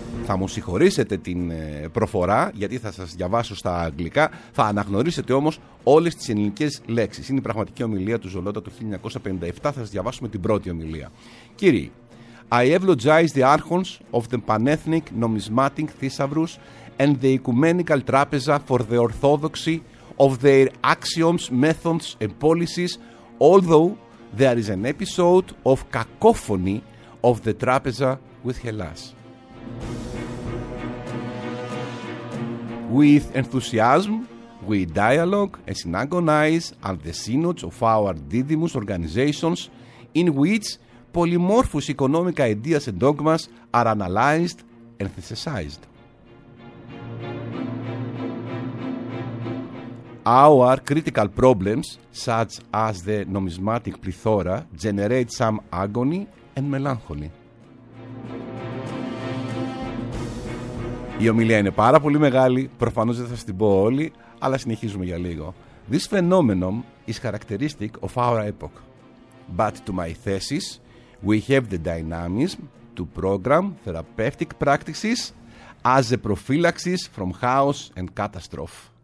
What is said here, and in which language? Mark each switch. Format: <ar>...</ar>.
<el>Θα μου συγχωρήσετε την προφορά, γιατί θα σας διαβάσω στα αγγλικά. Θα αναγνωρίσετε όμως όλες τις ελληνικές λέξεις. Είναι η πραγματική ομιλία του Ζολώτα του 1957. Θα σας διαβάσουμε την πρώτη ομιλία.</el> <en>Κύριοι, I eulogize the archons of the Panethnic Numismatic Thesaurus and the Ecumenical Trapeza for the orthodoxy of their axioms, methods and policies, although there is an episode of cacophony of the Trapeza with Hellas. With enthusiasm, we dialogue and synagogize at the synods of our Didymus organizations, in which polymorphous economic ideas and dogmas are analyzed and synthesized. Our critical problems, such as the numismatic plethora, generate some agony and melancholy.</en> <el>Η ομιλία είναι πάρα πολύ μεγάλη, προφανώς δεν θα σας την πω όλη, αλλά συνεχίζουμε για λίγο.</el> <en>This phenomenon is characteristic of our epoch. But to my thesis, we have the dynamism to program therapeutic practices as a prophylaxis from chaos and catastrophe.</en>